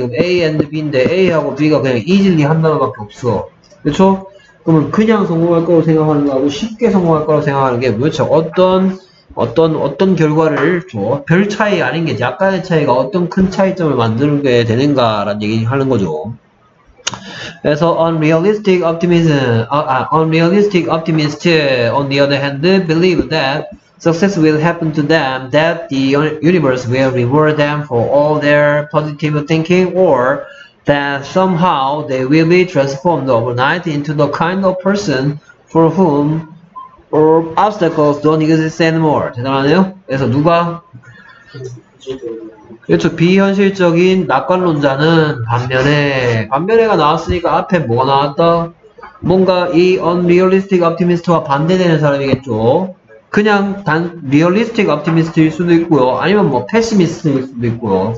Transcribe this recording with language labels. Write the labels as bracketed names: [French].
[Korean] 지금 A and B인데 A하고 B가 그냥 easily 한 단어밖에 없어. 그렇죠? 그러면 그냥 성공할 거라고 생각하는 거하고 쉽게 성공할 거라고 생각하는 게 도대체 어떤 결과를 줘? 별 차이 아닌 게 약간의 차이가 어떤 큰 차이점을 만들게 되는가라는 얘기를 하는 거죠. 그래서 [English] unrealistic optimists on the other hand believe that success will happen to them, that the universe will reward them for all their positive thinking, or that somehow they will be transformed overnight into the kind of person for whom obstacles don't exist anymore. [Korean] 대단하네요. 그래서 누가? 그렇죠. 비현실적인 낙관론자는 반면에가 나왔으니까 앞에 뭐가 나왔다? 뭔가 이 unrealistic optimist와 반대되는 사람이겠죠. 그냥 단 realistic optimist일 수도 있고요. 아니면 뭐 pessimist일 수도 있고요.